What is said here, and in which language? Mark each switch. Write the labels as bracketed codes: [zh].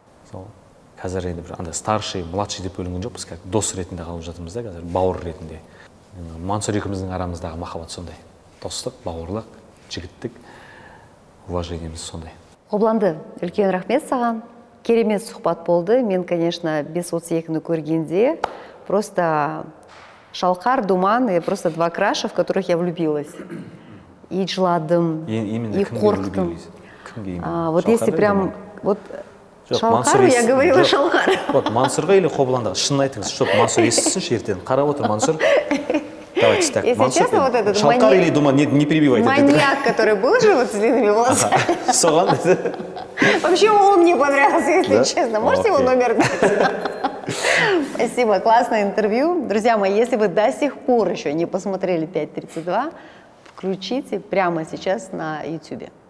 [kk] Сол қазір енді бір андай [ru] старший, младший [kk] деп бөлінген жоқпыз, как дос ретінде қалып жатырмыз да, қазір бауыр ретінде. Мансұр екеуміздің арамыздағы махаббат сондай. Достық, бауырлық, жігіттік, уважениеміз сондай. Қобланды, үлкен рахмет саған. Керемет сұхбат болды. [ru] Мен, конечно, [kk] 5.32-ні көргенде [ru] просто шалқар, думан и просто два краша, в которых я влюбилась. [kk] И жладым, и қорқтым. [ru] Вот если прям вот шалқар, я говорила шалқар. [kk] Вот Мансұрға или Қобланды? Шынын айтыңыз, чтоб Мансұр естісінші ертең. Қарап отыр Мансұр. [ru] Давайте так. Если честно, вот этот шалқар или думан, не перебивайте. Маньяк, который был же вот с длинными волосами. Соған? Вообще он мне понравился, если честно. Можете его номер дать? Спасибо, классное интервью. Друзья мои, если вы до сих пор еще не посмотрели 5.32, включите прямо сейчас на YouTube.